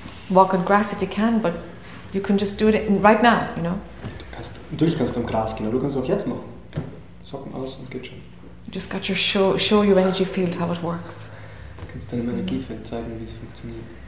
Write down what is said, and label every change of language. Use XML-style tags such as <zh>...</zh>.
<en>Walk on grass if you can, but you can just do it right now, you know.</en> <de>Natürlich kannst du am Gras gehen, aber du kannst es auch jetzt machen. Socken aus und geht schon.</de> <en>You just got your show your energy field how it works.</en> <de>Du kannst deinem Energiefeld zeigen, wie es funktioniert.</de>